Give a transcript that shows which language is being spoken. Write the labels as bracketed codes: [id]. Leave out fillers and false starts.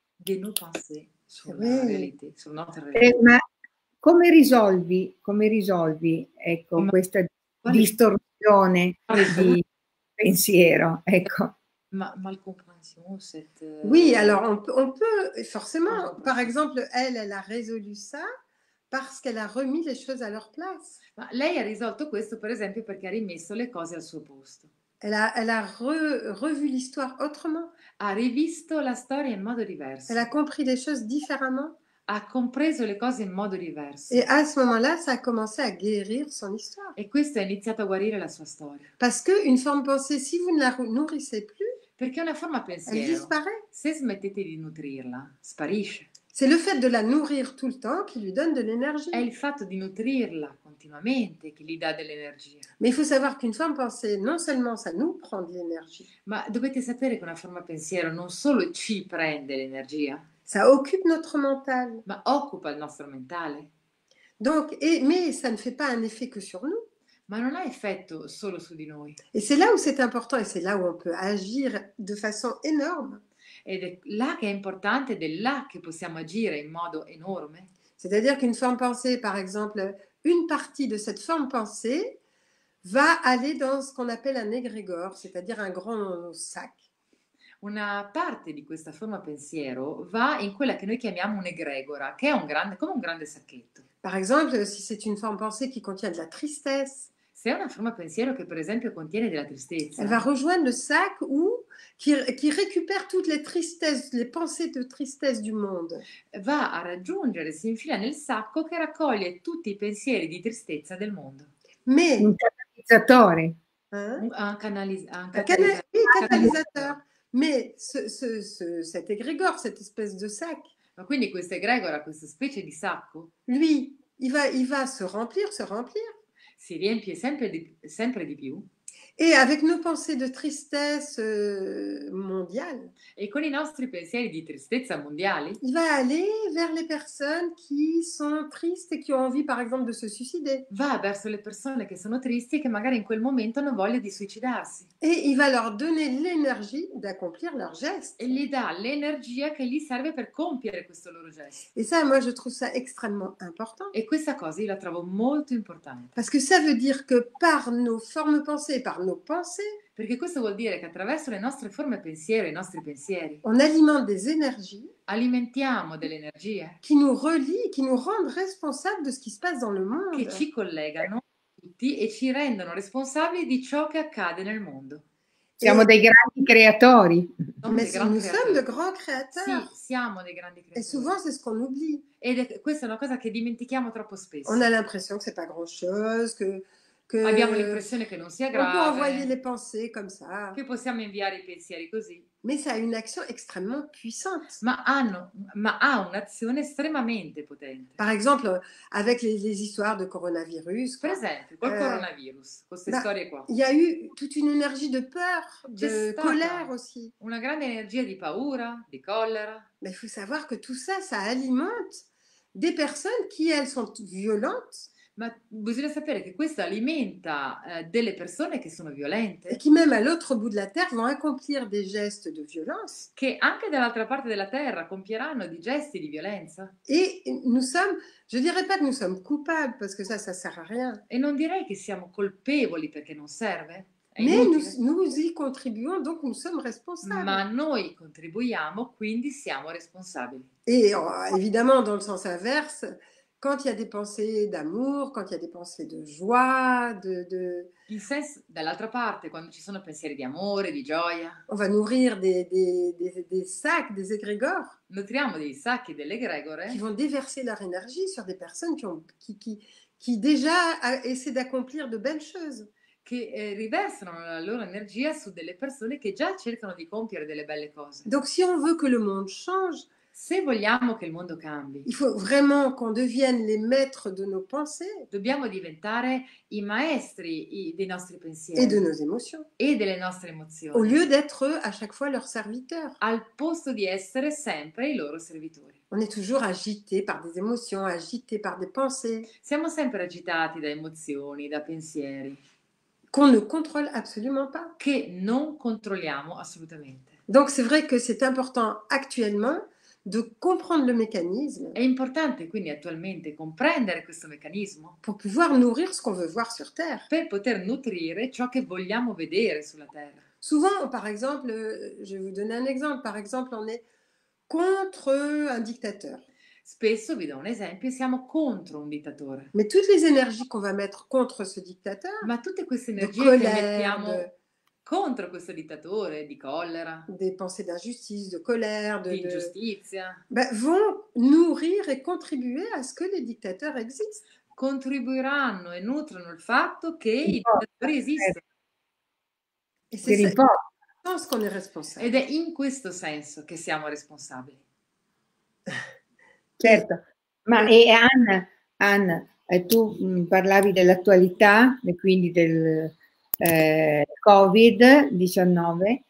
[it] Che non passi sulla nostra realtà. Come risolvi ecco, questa distorsione di pensiero, ecco. [fr] Mal compréhension, cette... Oui, alors on peut forcément, par exemple, elle a résolu ça parce qu'elle a remis les choses à leur place. [it] Ma lei ha risolto questo, per esempio, perché ha rimesso le cose al suo posto. [fr] Elle a revu l'histoire autrement. [it] Ha rivisto la storia in modo diverso. [fr] Elle a compris les choses différemment. [it] Ha compreso le cose in modo diverso. [fr] Et à ce moment-là, ça a commencé à guérir son histoire. [it] E questo ha iniziato a guarire la sua storia. [fr] Parce que une forme pensée, si vous ne la nourrissez plus, [it] perché una forma pensiero, [fr] elle disparaît. [it] Se smettete di nutrirla, sparisce. [fr] C'est le fait de la nourrir tout le temps qui lui donne de l'énergie. [it] È il fatto di nutrirla continuamente che gli dà dell'energia. [fr] Mais il faut savoir qu'une forme pensée, non seulement ça nous prend de l'énergie. [it] Ma dovete sapere che una forma pensiero non solo ci prende l'energia. [fr] Ça occupe notre mental. [it] Ma occupa il nostro mentale. [fr] Donc, mais ça ne fait pas un effet que sur nous. [it] Ma non ha effetto solo su di noi. [fr] Et c'est là où c'est important et c'est là où on peut agir de façon énorme. [it] Ed è là che è importante ed è là che possiamo agire in modo enorme. [fr] C'est-à-dire qu'une forme pensée, par exemple, une partie de cette forme pensée va aller dans ce qu'on appelle un égrégore, c'est-à-dire un grand sac. [it] Una parte di questa forma pensiero va in quella che noi chiamiamo un'egregora, che è un grande, come un grande sacchetto. [fr] Par exemple, si c'est une forme pensée qui contient de la tristesse, [it] se è una forma pensiero che per esempio contiene della tristezza, [fr] elle va rejoindre le sac où qui récupère toutes les tristesses, les pensées de tristesse du monde. [it] Va a raggiungere, si infila nel sacco che raccoglie tutti i pensieri di tristezza del mondo. [fr] Mais [it] un catalizzatore. Un catalizzatore. [fr] Mais cet égrégore, cette espèce de sac. [it] Ma quindi questo égrégore, questa specie di sacco. [fr] Lui, il va se remplir, se remplir. [it] Si riempie sempre di più. [fr] Et avec nos pensées de tristesse mondiale. Et [it] con i nostri pensieri di tristezza mondiale. [fr] Il va aller vers les personnes qui sont tristes et qui ont envie, par exemple, de se suicider. [it] Va verso le persone che sono tristi e che magari in quel momento hanno voglia di suicidarsi. [fr] Et il va leur donner l'énergie d'accomplir leur geste. [it] E gli dà l'energia che gli serve per compiere questo loro gesto. [fr] Et ça, moi, je trouve ça extrêmement important. [it] E questa cosa io la trovo molto importante. [fr] Parce que ça veut dire que par nos formes pensées, par nos pensées, [it] perché questo vuol dire che attraverso le nostre forme pensiero, i nostri pensieri, [fr] on alimente des énergies, [it] alimentiamo delle energie [fr] qui nous relie, qui nous rendent responsables de ce qui se passe dans le monde, [it] che ci collegano tutti e ci rendono responsabili di ciò che accade nel mondo. Siamo dei grandi creatori. Siamo dei grandi creatori. Sì, siamo dei grandi creatori. [fr] Et souvent c'est ce qu'on oublie. [it] Ed è, questa è una cosa che dimentichiamo troppo spesso. [fr] On a l'impression que c'est pas grand chose, que [it] abbiamo l'impressione che non sia grave. [fr] On peut envoyer les pensées comme ça. [it] Che possiamo inviare i pensieri così. [fr] Mais ça a une action extrêmement puissante. [it] Ma ha un'azione estremamente potente. [fr] Par exemple, avec les histoires de coronavirus. [it] Per esempio, col coronavirus, queste storie qua. [fr] Il y a eu toute une énergie de peur, de colère aussi. [it] Una grande energia di paura, di collera. [fr] Mais il faut savoir que tout ça, ça alimente des personnes qui, elles, sont violentes. [it] Ma bisogna sapere che questo alimenta delle persone che sono violente. E [fr] qui même à l'autre bout de la terre vont accomplir des gestes de violence. [it] Che anche dall'altra parte della terra compieranno dei gesti di violenza. [fr] Et nous sommes, je dirais pas que nous sommes coupables parce que ça sert à rien. [it] E non direi che siamo colpevoli perché non serve. [fr] Mais nous y contribuons, donc nous sommes responsables. [it] Ma noi contribuiamo, quindi siamo responsabili. [fr] Et évidemment dans le sens inverse. Quand il y a des pensées d'amour, quand il y a des pensées de joie, de... [it] Il senso, dall'altra parte, quando ci sono pensieri di amore, di gioia. [fr] On va nourrir des sacs, des égrégores. [it] Nutriamo dei sacchi, delle egregore. [fr] Qui vont déverser leur énergie sur des personnes qui déjà essaient d'accomplir de belles choses. [it] Che riversano la loro energia su delle persone che già cercano di compiere delle belle cose. [fr] Donc si on veut que le monde change, [it] se vogliamo che il mondo cambi, [fr] il faut vraiment qu'on devienne les maîtres de nos pensées, [it] dobbiamo diventare i maestri dei nostri pensieri, [fr] et de nos émotions, [it] e delle nostre emozioni, [fr] au lieu d'être à chaque fois leurs serviteurs, [it] al posto di essere sempre i loro servitori. [fr] On est toujours agité par des émotions, agité par des pensées. [it] Siamo sempre agitati da emozioni, da pensieri, [fr] qu'on ne contrôle absolument pas, [it] che non controlliamo assolutamente. [fr] Donc c'est vrai que c'est important actuellement de comprendre le mécanisme. [it] È importante quindi attualmente comprendere questo meccanismo. [fr] Pour pouvoir nourrir ce qu'on veut voir sur Terre. [it] Per poter nutrire ciò che vogliamo vedere sulla Terra. [fr] Souvent, par exemple, je vais vous donner un exemple. Par exemple, on est contre un dictateur. [it] Spesso vi do un esempio, siamo contro un dittatore. [fr] Mais toutes les énergies qu'on va mettre contre ce dictateur. [it] Ma tutte queste énergies che mettiamo contro questo dittatore, di collera, [fr] des pensées d'injustice, de colère, [it] di ingiustizia, [fr] vont nourrir et contribuer à ce que les dictateurs existent. [it] Contribuiranno e nutrono il fatto che i dittatori esistono. Ed è in questo senso che siamo responsabili. Certo, ma e Anna, tu parlavi dell'attualità e quindi del Covid-19.